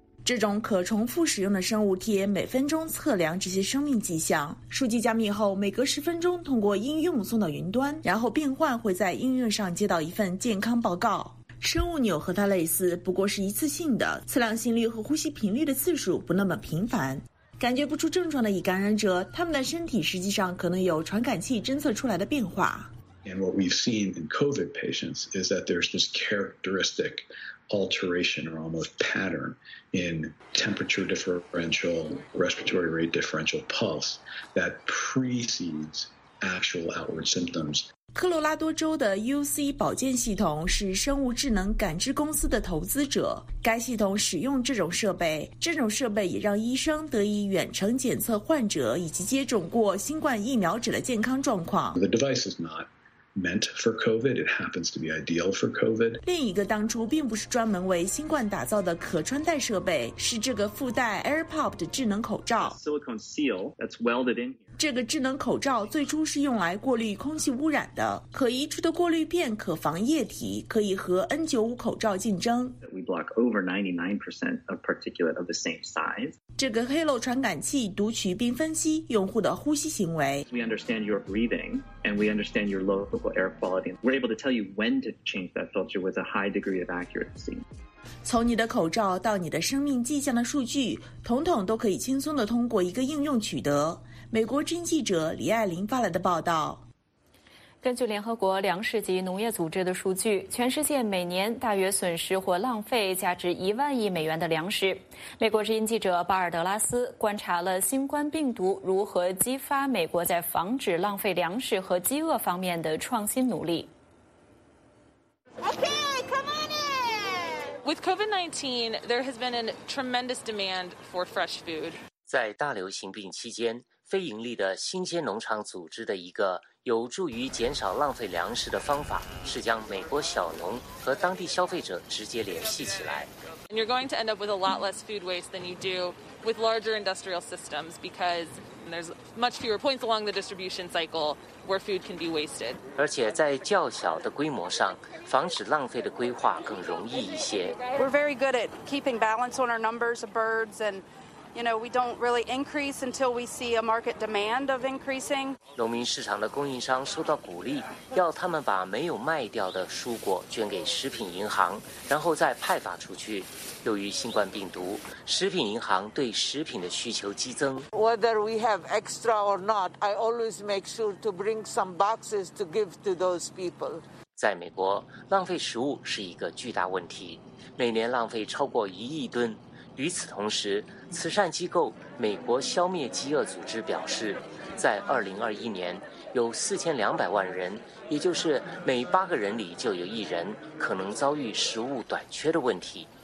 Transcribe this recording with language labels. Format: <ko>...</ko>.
<zh>这种可重复使用的生物贴每分钟测量这些生命迹象，数据加密后每隔10分钟通过应用送到云端，然后病患会在应用上接到一份健康报告。生物钮和它类似，不过是一次性的，测量心率和呼吸频率的次数不那么频繁。感觉不出症状的乙感染者，他们的身体实际上可能有传感器侦测出来的变化。</zh> <en>And what we've seen in COVID patients is that there's this characteristic alteration or almost pattern in temperature differential, respiratory rate differential, pulse that precedes actual outward symptoms.</en> <zh>科罗拉多州的 UC 保健系统是生物智能感知公司的投资者，该系统使用这种设备，这种设备也让医生得以远程检测患者以及接种过新冠疫苗者的健康状况。</zh> <en>The device is not meant for COVID, it happens to be ideal for COVID.</en> <zh>另一个当初并不是专门为新冠打造的可穿戴设备，是这个附带 AirPod 的智能口罩。</zh> <en>Silicone seal that's welded in here.</en> <zh>这个智能口罩最初是用来过滤空气污染的，可移除的过滤片可防液体，可以和 N95 口罩竞争。</zh> <en>We block over 99% of particulate of the same size.</en> <zh>这个 Halo 传感器读取并分析用户的呼吸行为。</zh> <en>We understand your breathing and we understand your local air quality. We're able to tell you when to change that filter with a high degree of accuracy.</en> <zh>从你的口罩到你的生命迹象的数据，统统都可以轻松地通过一个应用取得。美国之音记者李爱玲发来的报道。根据联合国粮食及农业组织的数据，全世界每年大约损失或浪费价值10000亿美元的粮食。美国之音记者巴尔德拉斯观察了新冠病毒如何激发美国在防止浪费粮食和饥饿方面的创新努力。</zh> <en>Okay, come on in. With COVID-19, there has been a tremendous demand for fresh food.</en> <zh>在大流行病期间，非盈利的新鲜农场组织的一个有助于减少浪费粮食的方法是将美国小农和当地消费者直接联系起来。</zh> <en>And you're going to end up with a lot less food waste than you do with larger industrial systems because there's much fewer points along the distribution cycle where food can be wasted.</en> <zh>而且在较小的规模上，防止浪费的规划更容易一些。</zh> <en>We're very good at keeping balance on our numbers of birds and, you know, we don't really increase until we see a market demand of increasing.</en> <zh>农民市场的供应商受到鼓励，要他们把没有卖掉的蔬果捐给食品银行，然后再派发出去。由于新冠病毒，食品银行对食品的需求激增。</zh> <en>Whether we have extra or not, I always make sure to bring some boxes to give to those people.</en> <zh>在美国，浪费食物是一个巨大问题，每年浪费超过1亿吨。与此同时，慈善机构美国消灭饥饿组织表示，在2021年，有4200万人，也就是每8个人里就有一人，可能遭遇食物短缺的问题。</zh>